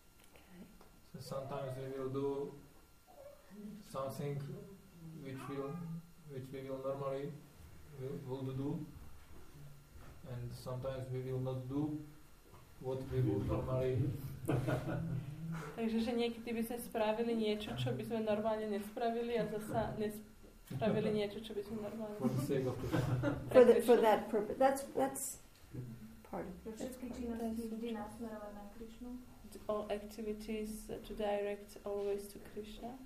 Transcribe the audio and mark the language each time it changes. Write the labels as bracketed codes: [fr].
[en] Okay. So sometimes we will do something which we will normally would do. And sometimes we will not do what we would normally. [sk] Takže, že niekedy by sme spravili niečo, čo by sme normálne nespravili a zasa spravili niečo, čo by sme normálne... [en] For the sake of the for that purpose. That's part of it. [sk] Všetky činnosti vždy nasmerované na Krišnu. [en] all activities to direct always to Krishna.